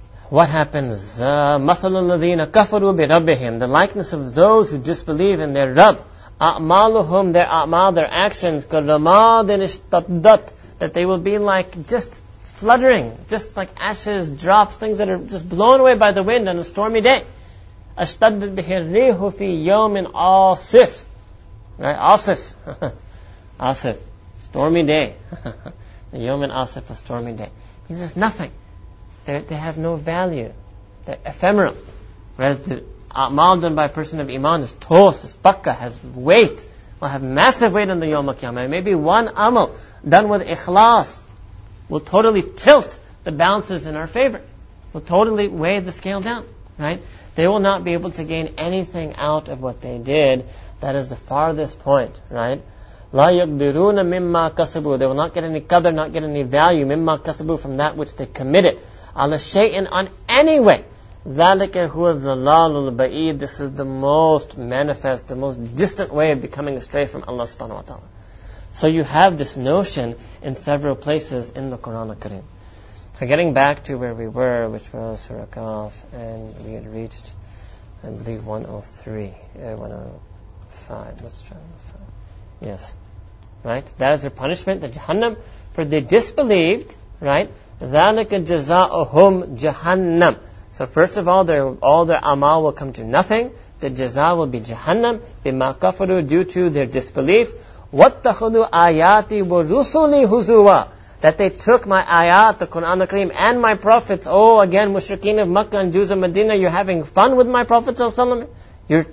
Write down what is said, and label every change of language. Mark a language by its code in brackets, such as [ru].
[en] What happens? [ar] مَثَلُ الَّذِينَ كَفَرُوا بِرَبِّهِمْ. [en] The likeness of those who disbelieve in their Rabb. [ar] أَعْمَالُهُمْ. [en] Their أَعْمَال, their actions. [ar] كَرَّمَادٍ اشْتَدَّتْ. [en] That they will be like just fluttering, just like ashes, drops, things that are just blown away by the wind on a stormy day. [ar] أَشْتَدَّتْ بِهِ الرِّيحُ فِي يَوْمٍ عَاصِفٍ. Right, عَاصِف. عَاصِف. [en] Stormy day. The [ar] يَوْمٍ عَاصِف, [en] a stormy day. Means there's nothing. They have no value. They're ephemeral. Whereas the a'mal done by a person of iman is tos, is pakka, has weight. Will have massive weight on the Yawm al-Qiyamah. Maybe one amal done with ikhlas will totally tilt the balances in our favor. Will totally weigh the scale down. Right? They will not be able to gain anything out of what they did. That is the farthest point. Right? [ar] لا يقدرون مما كسبوا. [en] They will not get any qadr, not get any value. [ar] مما كسبوا, [en] from that which they committed. [ar] على شيء, [en] on any way. [ar] ذلك هو الظلال البعيد. [en] This is the most manifest, the most distant way of becoming astray from Allah subhanahu wa ta'ala. So you have this notion in several places in the Quran al-Karim. So getting back to where we were, which was Surah Kaf, and we had reached, I believe, 105. Yes. Right? That is their punishment, the Jahannam, for they disbelieved, right? [ar] ذلك جزاؤهم جهنم. [en] So first of all their amal will come to nothing. The jaza will be Jahannam, [ar] bima kafaru, [en] due to their disbelief. [ar] وَاتَّخُذُوا آيَاتِ وَرُسُلِي هُزُوَا. [en] That they took my ayat, the Qur'an al-Karim, and my prophets. Oh, again, mushrikeen of Makkah and Jews of Medina, you're having fun with my prophets, sallallahu alayhi wa sallam.